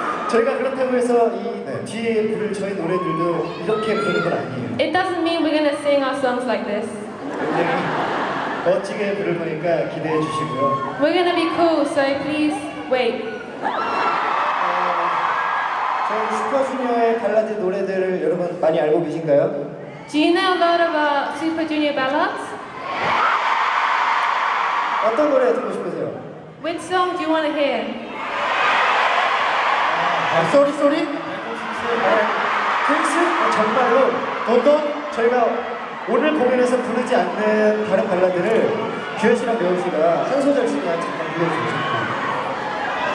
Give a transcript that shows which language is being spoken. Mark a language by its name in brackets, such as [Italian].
[Korean] 저희가 그렇다고 해서 이 뒤에 부를 저희 노래들도 이렇게 부르는 건 아니에요. [English] It doesn't mean we're gonna sing our songs like this. [Korean] 멋지게 부를 거니까 기대해 주시고요. [English] We're gonna be cool, so please wait. [Korean] 저희 슈퍼주니어의 발라드 노래들을 여러분 많이 알고 계신가요? [English] Do you know a lot about Super Junior ballads? [Korean] 어떤 노래 듣고 싶으세요? [English] Which song do you want to hear? Sorry, sorry. 퀸스? [Korean] 정말로 보통 저희가 오늘 공연에서 부르지 않는 다른 발라드를 규현 씨랑 배우 씨가 한 소절씩만 잠깐 불러주세요.